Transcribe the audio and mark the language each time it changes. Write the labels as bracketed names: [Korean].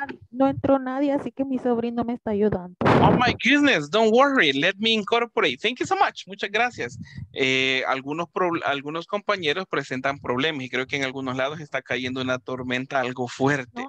[Spanish] No entró nadie, así que mi sobrino me está ayudando. [English] Oh my goodness, don't worry, let me incorporate. Thank you so much, [Spanish] muchas gracias. Algunos compañeros presentan problemas y creo que en algunos lados está cayendo una tormenta algo fuerte.